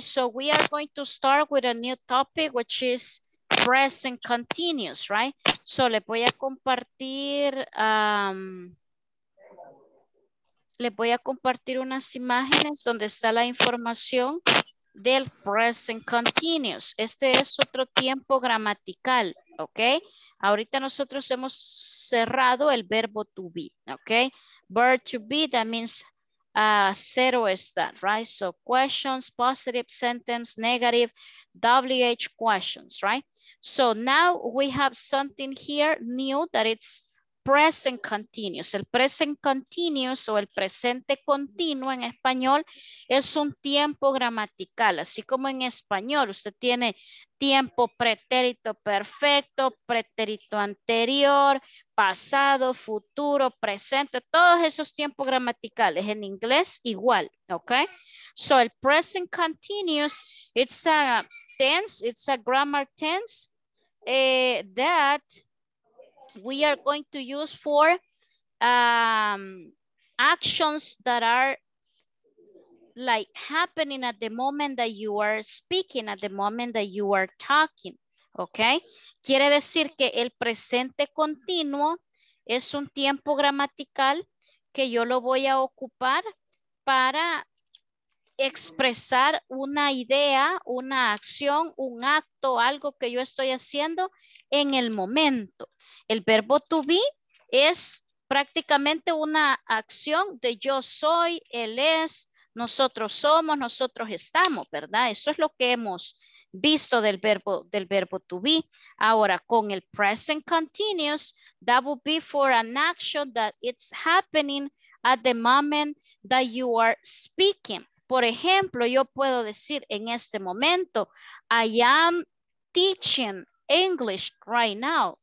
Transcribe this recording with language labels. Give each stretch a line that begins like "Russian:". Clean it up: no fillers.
English: So we are going to start with a new topic, which is present continuous, right?
Spanish: So les voy a compartir unas imágenes donde está la información del present continuous. Este es otro tiempo gramatical, okay? Ahorita nosotros hemos cerrado el verbo to be, okay?
English: Verb to be, that means
Spanish: cero está,
English: right? So questions, positive sentence, negative, WH questions, right? So now we have something here new that it's present continuous.
Spanish: El present continuous o el presente continuo en español es un tiempo gramatical. Así como en español usted tiene tiempo pretérito perfecto, pretérito anterior, pasado, futuro, presente, todos esos tiempos gramaticales en inglés igual, ¿ok?
English: So el present continuous, it's a tense, it's a grammar tense that we are going to use for actions that are like happening at the moment that you are speaking, at the moment that you are talking. ¿Ok?
Spanish: Quiere decir que el presente continuo es un tiempo gramatical que yo lo voy a ocupar para expresar una idea, una acción, un acto, algo que yo estoy haciendo en el momento. El verbo to be es prácticamente una acción de yo soy, él es, nosotros somos, nosotros estamos, ¿verdad? Eso es lo que hemos visto del verbo to be. Ahora, con el
English: present continuous, that would be for an action that it's happening at the moment that you are speaking.
Spanish: Por ejemplo, yo puedo decir en este momento,
English: I am teaching English right now.